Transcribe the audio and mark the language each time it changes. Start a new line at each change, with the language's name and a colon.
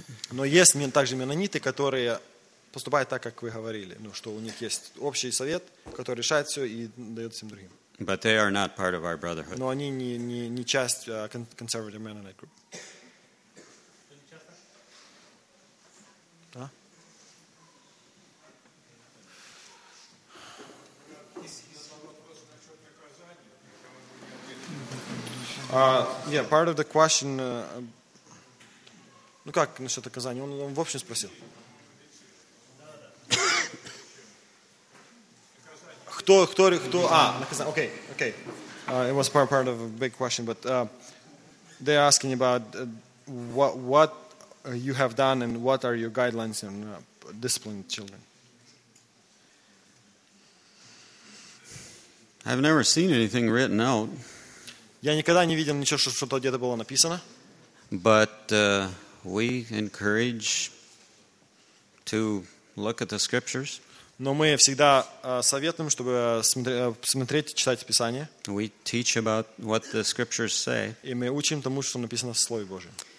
Russian: Но есть также менониты, которые поступают так, как вы говорили, ну, что у них есть общий совет, который решает все и дает всем другим.
English: But they are not part of our brotherhood.
Russian: Но они не часть
English: conservative Mennonite group. Yeah, part of the question.
Russian: Ну как насчет оказания? Он в общем спросил. Кто? Наказание. Okay.
English: It was part of a big question, but they're asking about what you have done and what are your guidelines in disciplining children. I've never seen anything written out.
Russian: Я никогда не видел ничего, что что-то где-то было написано.
English: But we encourage to look at the scriptures.
Russian: Но мы всегда советуем, чтобы смотреть, читать Писание.
English: We teach about what the scriptures say.
Russian: И мы учим тому, что написано в Слове Божьем.